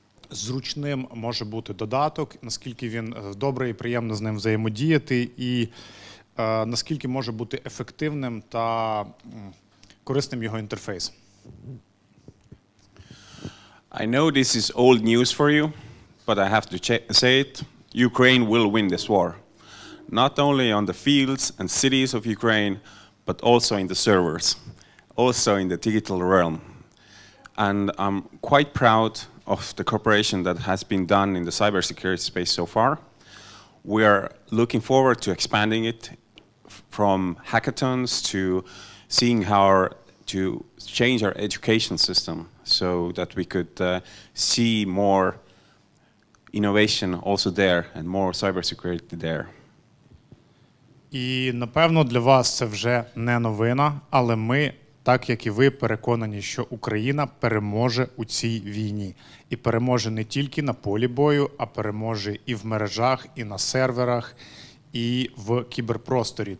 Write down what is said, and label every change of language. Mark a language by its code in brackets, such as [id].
[uk] зручним може бути додаток, наскільки він добре і приємно з ним взаємодіяти, і наскільки може бути ефективним та корисним його інтерфейс. [en] I know this is old news for you, but I have to say it. Ukraine will win this war. Not only on the fields and cities of Ukraine, but also in the servers, also in the digital realm. And I'm quite proud of the cooperation that has been done in the cybersecurity space so far. We are looking forward to expanding it from hackathons to seeing how to change our education system so that we could see more innovation also there and more cybersecurity there. [uk] І, напевно, для вас це вже не новина, але ми, так як і ви, переконані, що Україна переможе у цій війні. І переможе не тільки на полі бою, а переможе і в мережах, і на серверах, і в кіберпросторі.